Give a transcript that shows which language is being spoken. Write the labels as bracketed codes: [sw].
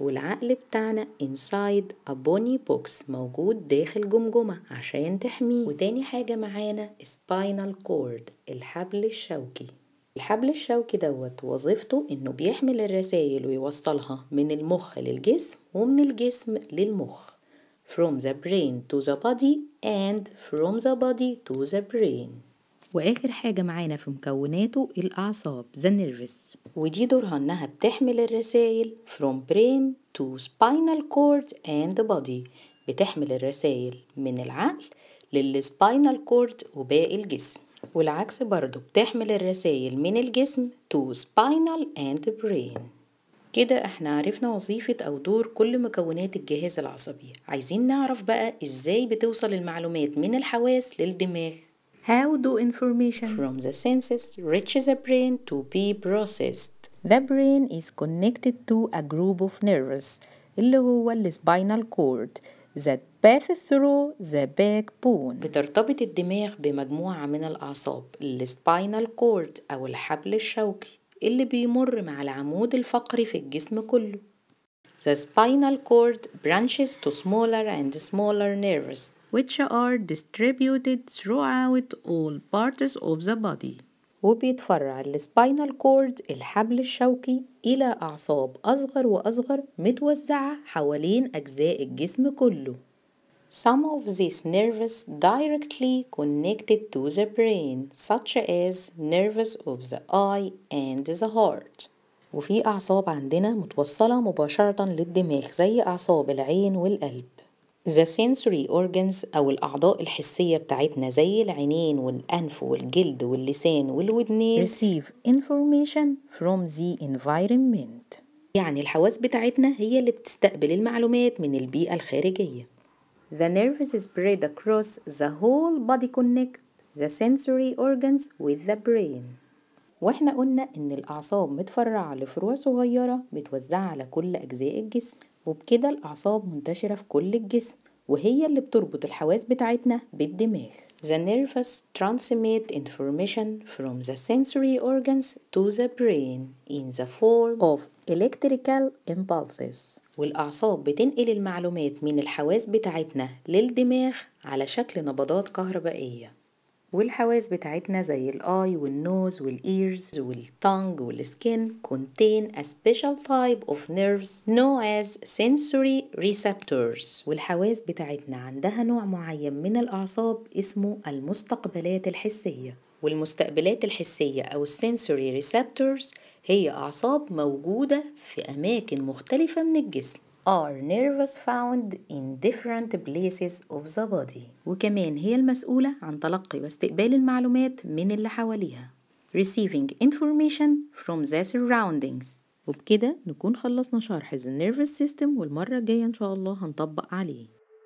[ar] والعقل بتاعنا [en] inside a bony box، [ar] موجود داخل جمجمة عشان تحميه. وتاني حاجة معانا spinal cord، الحبل الشوكي. الحبل الشوكي دوت وظيفته انه بيحمل الرسائل ويوصلها من المخ للجسم ومن الجسم للمخ. [en] From the brain to the body and from the body to the brain. [ar] وآخر حاجة معانا في مكوناته الأعصاب، [en] the nervous. [ar] ودي دورها أنها بتحمل الرسائل [en] from brain to spinal cord and the body. [ar] بتحمل الرسائل من العقل للspinal cord وباقي الجسم. والعكس برضو، بتحمل الرسائل من الجسم [en] to spinal and brain. [ar] كده احنا عرفنا وظيفة او دور كل مكونات الجهاز العصبي. عايزين نعرف بقى ازاي بتوصل المعلومات من الحواس للدماغ. [en] How do information from the senses reach the brain to be processed? The brain is connected to a group of nerves [ar] اللي هو [en] spinal cord that passes through the backbone. [ar] بترتبط الدماغ بمجموعة من الأعصاب، spinal cord او الحبل الشوكي اللي بيمر مع العمود الفقري في الجسم كله. [en] The spinal cord branches to smaller and smaller nerves which are distributed throughout all parts of the body. [ar] وبيتفرع الspinal cord الحبل الشوكي إلى أعصاب أصغر وأصغر متوزعة حوالين أجزاء الجسم كله. [en] Some of these nerves directly connected to the brain, such as nerves of the eye and the heart. [ar] وفي أعصاب عندنا متوصلة مباشرة للدماغ زي أعصاب العين والقلب. [en] The sensory organs [ar] أو الأعضاء الحسية بتاعتنا زي العينين والأنف والجلد واللسان والودنين [en] receive information from the environment. [ar] يعني الحواس بتاعتنا هي اللي بتستقبل المعلومات من البيئة الخارجية. [en] The nerves spread across the whole body connect the sensory organs with the brain. [ar] واحنا قلنا ان الاعصاب متفرعة لفروع صغيرة متوزعة على كل اجزاء الجسم، وبكده الاعصاب منتشرة في كل الجسم، وهي اللي بتربط الحواس بتاعتنا بالدماغ. [en] The nerves transmit information from the sensory organs to the brain in the form of electrical impulses. [ar] والأعصاب بتنقل المعلومات من الحواس بتاعتنا للدماغ على شكل نبضات كهربائية. والحواس بتاعتنا زي الآي والنوز والإيرز والتانج والسكين [en] contain a special type of nerves known as sensory receptors. [ar] والحواس بتاعتنا عندها نوع معين من الأعصاب اسمه المستقبلات الحسية. والمستقبلات الحسية أو sensory receptors هي أعصاب موجودة في أماكن مختلفة من الجسم. [en] Are nerves found in different places of the body. [ar] وكمان هي المسؤولة عن تلقي واستقبال المعلومات من اللي حواليها. [en] Receiving information from the surroundings. [ar] وبكده نكون خلصنا شرح the nervous system، والمرة الجاية إن شاء الله هنطبق عليه.